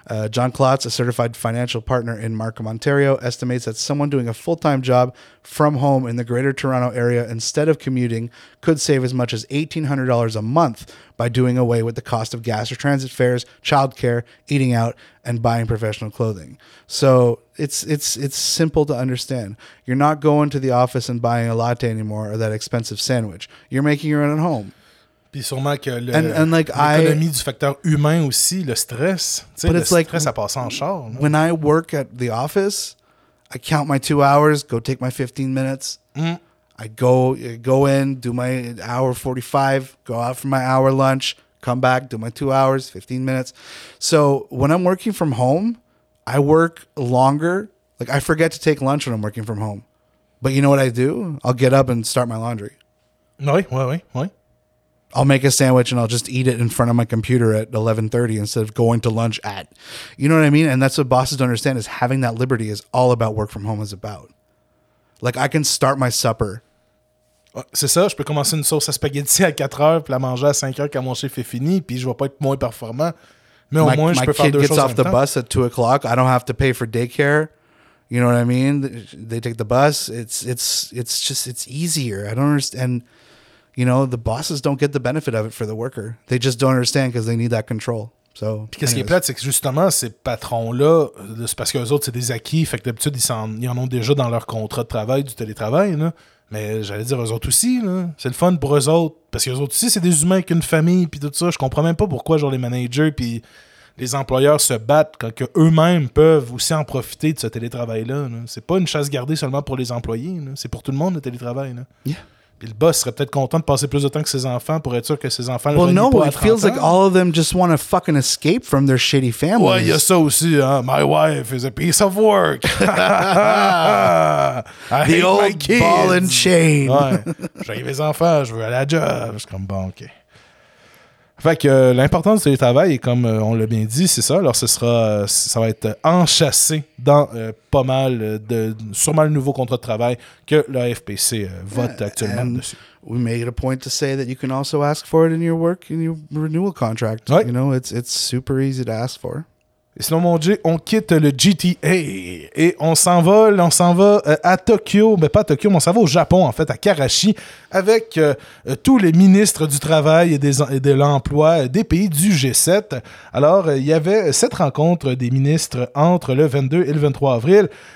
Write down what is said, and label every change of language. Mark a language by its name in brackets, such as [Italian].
[English] John Klotz, a certified financial partner in Markham, Ontario, estimates that someone doing a full-time job from home in the Greater Toronto Area instead of commuting could save as much as $1,800 a month by doing away with the cost of gas or transit fares, childcare, eating out, and buying professional clothing. So it's simple to understand. You're not going to the office and buying a latte anymore or that expensive sandwich. You're making your own at home. [French] Puis sûrement que l'économie du facteur humain aussi, le stress, tu sais, le stress, like, ça passe en char. Non? [English] When I work at the office, I count my 2 hours, go take my 15 minutes. Mm. I go in, do my hour 45, go out for my hour lunch, come back, do my 2 hours, 15 minutes. So when I'm working from home, I work longer. Like, I forget to take lunch when I'm working from home. But you know what I do? I'll get up and start my laundry. [French] Oui. [English] I'll make a sandwich and I'll just eat it in front of my computer at 11:30 instead of going to lunch at, you know what I mean? And that's what bosses don't understand, is having that liberty is all about work from home is about. Like, I can start my supper. [French] C'est ça, je peux commencer une sauce à spaghetti à 4 heures puis la manger à 5 heures quand mon chef est fini, puis je vais pas être moins performant. Mais au moins, je peux faire deux choses. [English] My kid gets off the bus at 2 o'clock. I don't have to pay for daycare. You know what I mean? They take the bus. It's just easier. I don't understand. You know, the bosses don't get the benefit of it for the worker. They just don't understand because they need that control. So, [French] puis qu'est-ce qui est plate, c'est que justement, ces patrons-là, c'est parce qu'eux autres, c'est des acquis. Fait que d'habitude, ils en ont déjà dans leur contrat de travail, du télétravail. Là. Mais j'allais dire, eux autres aussi, là. C'est le fun pour eux autres. Parce qu'eux autres aussi, c'est des humains avec une famille puis tout ça. Je comprends même pas pourquoi genre les managers puis les employeurs se battent quand eux-mêmes peuvent aussi en profiter de ce télétravail-là. Là. C'est pas une chasse gardée seulement pour les employés. Là. C'est pour tout le monde, le télétravail. Là. [English] Yeah. [French] Puis le boss serait peut-être content de passer plus de temps que ses enfants pour être sûr que ses enfants ne le veulent pas. [English] Well, no, it feels like all of them just want to fucking escape from their shitty families. [French] Ouais, il y a ça aussi, hein. [English] My wife is a piece of work. The old ball and chain. [French] Ouais. J'ai mes enfants, je veux aller à la job. Je suis comme, bon, OK. Fait que l'importance du télétravail, et comme on l'a bien dit, c'est ça. Alors, ça va être enchâssé dans pas mal de. Sûrement le nouveau contrat de travail que la FPC vote actuellement dessus. [English] We made it a point to say that you can also ask for it in your work, in your renewal contract. [French] Ouais. [English] You know, it's super easy to ask for. [French] Et sinon, mon Dieu, on quitte le GTA et on s'en va à Tokyo. Mais pas à Tokyo, mais on s'en va au Japon, en fait, à Karachi, avec tous les ministres du travail et de l'emploi des pays du G7. Alors, il y avait cette rencontre des ministres entre le 22 et le 23 avril.